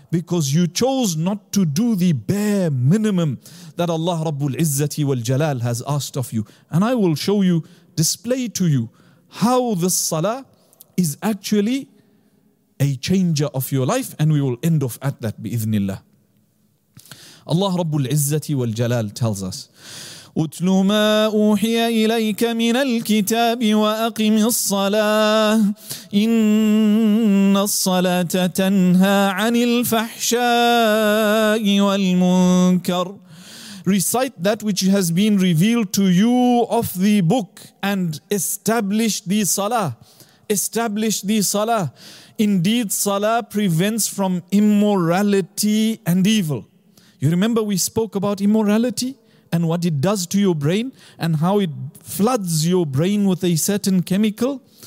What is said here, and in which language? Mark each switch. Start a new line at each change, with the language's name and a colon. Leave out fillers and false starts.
English: Because you chose not to do the bare minimum that Allah Rabbul Izzati wal Jalal has asked of you. And I will show you, display to you how this salah is actually a changer of your life, and we will end off at that bi'idhnillah. Allah Rabbul Izzati wal Jalal tells us,
Arabic: أتل ما أوحي إليك من الكتاب وأقم الصلاة إن الصلاة تنهى عن الفحشاء والمنكر.
English: Recite that which has been revealed to you of the book and establish the salah. Establish the salah. Indeed, salah prevents from immorality and evil. You remember we spoke about immorality and what it does to your brain and how it floods your brain with a certain chemical.